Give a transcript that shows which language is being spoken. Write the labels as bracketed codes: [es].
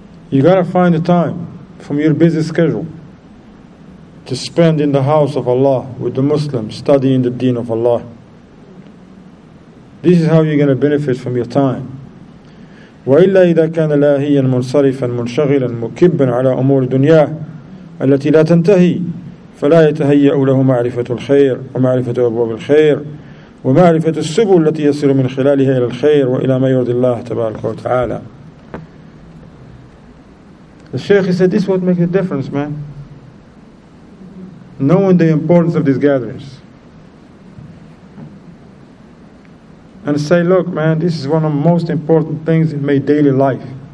[en] You gotta find the time from your busy schedule to spend in the house of Allah with the Muslims, studying the deen of Allah. This is how you're gonna benefit from your time. [ar] وإلا إذا كان لاهيا منصرفا منشغلا مكبا على أمور دنياه التي لا تنتهي فلا يتهيأ له معرفة الخير ومعرفة أبواب الخير ومعرفة السبل التي يصل من خلالها إلى الخير وإلى ما يرضي الله تبارك وتعالى. [en] The Sheikh, he said, this is what makes a difference, man. Knowing the importance of these gatherings. and say, look, man, this is one of the most important things in my daily life.